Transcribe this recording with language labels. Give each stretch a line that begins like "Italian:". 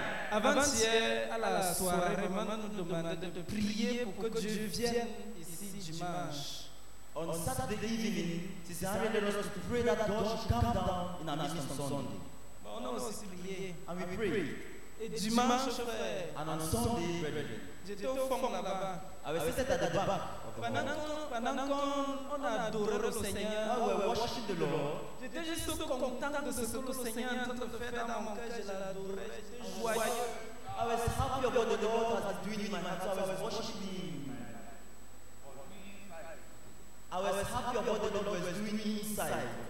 French: Avant-hier, à la soirée, maman nous demandait de prier pour que Dieu vienne ici dimanche.
English: On Saturday evening, she's asking us to pray that God should come down in our midst on Sunday.
French: On a aussi prié.
English: And we pray.
French: Et dimanche, frère,
English: and on Sunday,
French: j'étais au fond là-bas.
English: I was sitting at the back.
French: Pendant qu'on adorait le Seigneur,
English: we were worshiping the Lord.
French: J'étais juste content de ce que le Seigneur est en train de faire dans mon cœur. Je l'adorais. J'étais joyeux.
English: I was happy about the Lord that has doing in my heart. So I was worshiping him. I was happy about the Lord was doing inside.